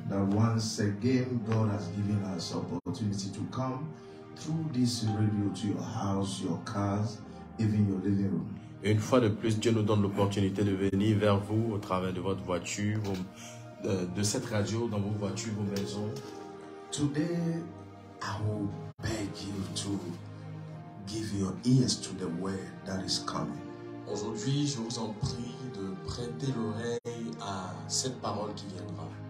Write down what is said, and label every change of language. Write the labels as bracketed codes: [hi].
[en] That once again, God has given us opportunity to come through this radio to your house, your cars, even your living room. [fr] Une fois de plus, Dieu nous donne l'opportunité de venir vers vous au travers de votre voiture, de cette radio dans vos voitures, vos maisons. [en] Today, I will beg you to give your ears to the word that is coming. [fr] Aujourd'hui, je vous en prie de prêter l'oreille à cette parole qui viendra.